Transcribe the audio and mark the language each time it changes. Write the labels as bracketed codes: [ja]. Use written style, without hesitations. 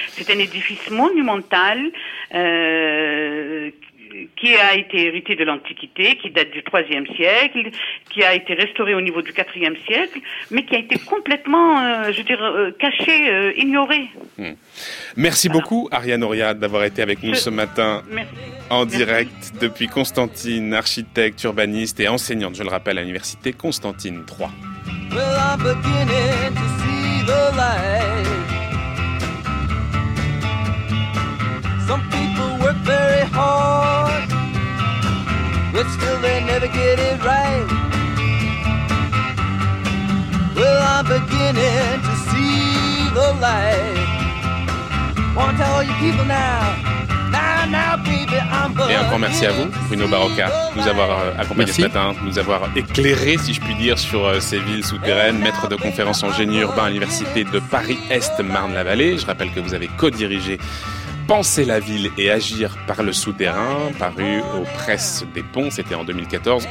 [fr] C'est un édifice monumental qui a été hérité de l'Antiquité, qui date du 3e siècle, qui a été restauré au niveau du 4e siècle, mais qui a été complètement, caché, ignoré. Merci beaucoup, Rianoria, d'avoir été avec nous ce matin. Merci. En direct depuis Constantine, architecte, urbaniste et enseignante, je le rappelle, à l'Université Constantine III. [en] Well, I'm beginning to see the light. Some people work very hard, but still they never get it right. Well, I'm beginning to see the light. Wanna tell all you people now. [fr] Et un grand merci à vous, Bruno Barocca, de nous avoir accompagnés ce matin, de nous avoir éclairé, si je puis dire, sur ces villes souterraines, maître de conférence en génie urbain à l'Université de Paris-Est Marne-la-Vallée. Je rappelle que vous avez co-dirigé Penser la ville et agir par le souterrain, paru aux presses des ponts, c'était en 2014.